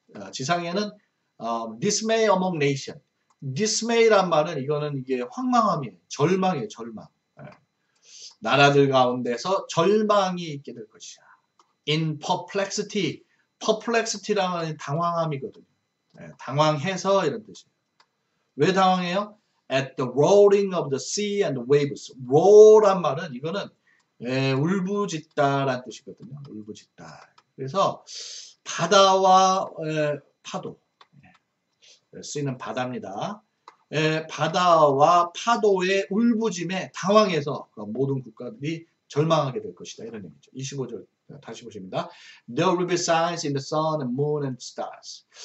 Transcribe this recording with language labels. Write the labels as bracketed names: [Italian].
[Korean] 지상에는 [English] dismay among nations. [Korean] dismay란 말은 이거는 이게 황망함이에요. 절망이에요, 절망. 나라들 가운데서 절망이 있게 될 것이야. [English] In perplexity, [Korean] perplexity란 말은 당황함이거든요. 당황해서 이런 뜻이에요. 왜 당황해요? [English] At the roaring of the sea and the waves. [Korean] roar란 말은 이거는 예, 울부짖다라는 뜻이거든요. 울부짖다. 그래서 바다와 파도 쓰이는 바다입니다. 바다와 파도의 울부짐에 당황해서 모든 국가들이 절망하게 될 것이다. 이런 얘기죠. 25절 다시 보십니다. [English] There will be signs in the sun and moon and stars.